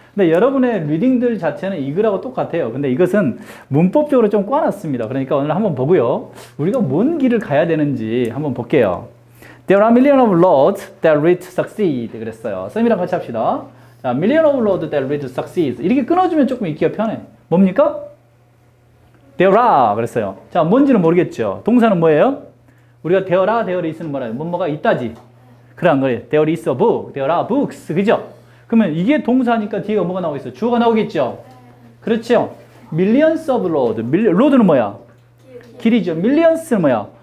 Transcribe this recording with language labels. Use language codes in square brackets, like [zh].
[ko] 근데 여러분의 리딩들 자체는 이 글하고 똑같아요. 근데 이것은 문법적으로 좀 꼬아놨습니다. 그러니까 오늘 한번 보고요. 우리가 뭔 길을 가야 되는지 한번 볼게요. [en] There are millions of roads that lead to succeed. [ko] 그랬어요. 쌤이랑 같이 합시다. 자, [en] million of roads that lead to succeed. [ko] 이렇게 끊어주면 조금 읽기가 편해. 뭡니까? [en] There are. [ko] 그랬어요. 자, 뭔지는 모르겠죠. 동사는 뭐예요? 우리가 [en] there are, there is [ko] 는 뭐라 해요? 뭐가 있다지. 그런 거예요. [en] There is a book. There are books. [ko] 그죠? 그러면 이게 동사니까 뒤에가 뭐가 나오고 있어요? 주어가 나오겠죠? 그렇죠? [en] Millions of roads. [ko] 로드는 뭐야? 길이죠. Millions는 뭐야?